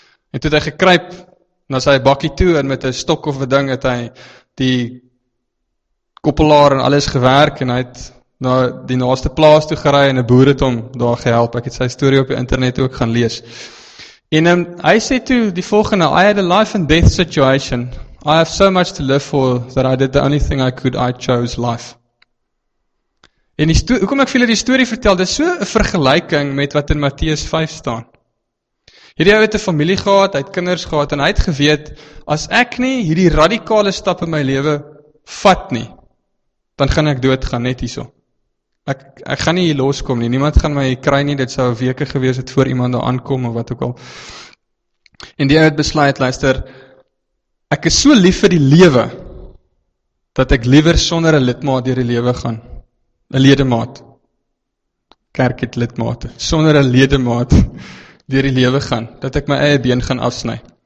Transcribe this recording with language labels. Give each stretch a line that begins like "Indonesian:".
Afrikaans: En toe het hy gekruip na sy bakkie toe, en met 'n stok of 'n ding het hy die koppelaar en alles gewerk, en hy het nou die naaste plaas toe gery en 'n boer het hom daar gehelp. Ek het sy storie op die internet ook gaan lees. En hy sê toe die volgende:
English: I had a life and death situation. I have so much to live for that I did the only thing I could. I chose life.
Afrikaans: En hoekom ek vir julle die storie vertel, dis so 'n vergelyking met wat in Matteus 5 staan. Hierdie ou het 'n familie gehad, hy het kinders gehad en hy het geweet as ek nie hierdie radikale stap in my lewe vat nie, dan gaan ek doodgaan net hierso. Ek gaan nie hier loskom nie, niemand gaan my hier kry nie, dit sou weke gewees het voor iemand daar aankom of wat ook al. En die ou het besluit, luister, ek is so lief vir die lewe, dat ek liewer sonder 'n lidmaat deur die lewe gaan. 'n Ledemaat. Kerk het lidmate. Sonder 'n ledemaat deur die lewe gaan, dat ek my eie been gaan afsny.